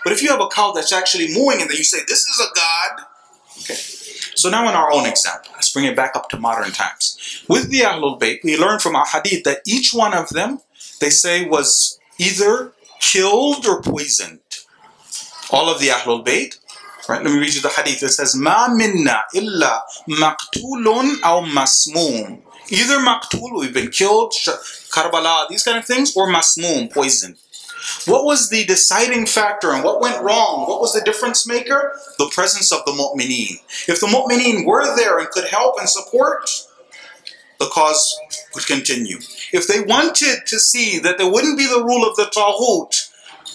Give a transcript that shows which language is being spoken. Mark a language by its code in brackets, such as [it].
[en] But if you have a cow that's actually mooing and then you say, this is a god. Okay. So now in our own example, let's bring it back up to modern times. With the Ahlul Bayt, we learn from Ahadith that each one of them, they say, was either killed or poisoned. All of the Ahlul Bayt, right? Let me read you the Hadith. It says, [ar] مَا مِنَّا إِلَّا مَقْتُولٌ أَوْ مَسْمُومٌ. [en] Either maqtul, we've been killed, Karbala, these kind of things, or masmum, poison. What was the deciding factor and what went wrong? What was the difference maker? The presence of the mu'mineen. If the mu'mineen were there and could help and support, the cause would continue. If they wanted to see that there wouldn't be the rule of the tawhut,